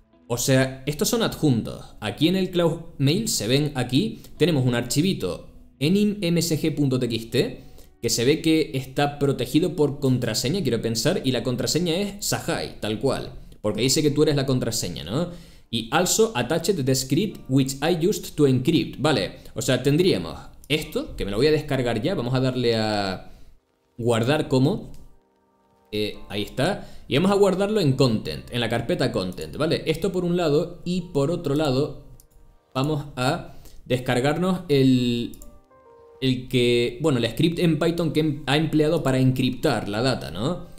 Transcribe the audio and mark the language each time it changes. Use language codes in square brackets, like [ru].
[es] O sea, estos son adjuntos. Aquí en el Cloud Mail se ven aquí, tenemos un archivito enmsg.txt que se ve que está protegido por contraseña, quiero pensar, y la contraseña es Sahai, tal cual, porque dice que tú eres la contraseña, ¿no? [en] Y also attached the script which I used to encrypt. [es] Vale, o sea, tendríamos esto, que me lo voy a descargar ya. Vamos a darle a guardar como. Ahí está. Y vamos a guardarlo en content, en la carpeta content. Vale, esto por un lado y por otro lado vamos a descargarnos el que, bueno, el script en Python que ha empleado para encriptar la data, ¿no?